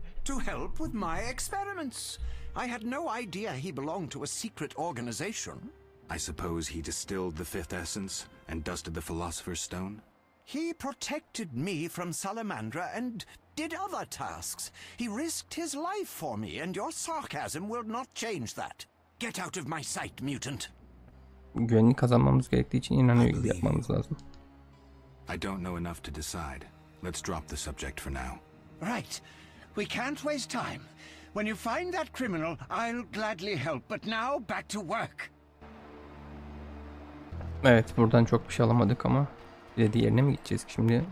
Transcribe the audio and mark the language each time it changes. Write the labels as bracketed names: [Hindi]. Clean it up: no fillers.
[English] To help with my experiments. I had no idea he belonged to a secret organization. I suppose he distilled the fifth essence and dusted the Philosopher's Stone? He protected me from Salamandra and did other tasks. He risked his life for me, and your sarcasm will not change that. Get out of my sight, mutant. [Turkish] Güvenini kazanmamız gerektiği için inanıyor gibi yapmamız lazım. [English] I don't know enough to decide. Let's drop the subject for now. Right. We can't waste time. When you find that criminal, I'll gladly help. But now, back to work. [Turkish] Evet, buradan çok bir şey alamadık ama dediği yerine mi gideceğiz ki şimdi?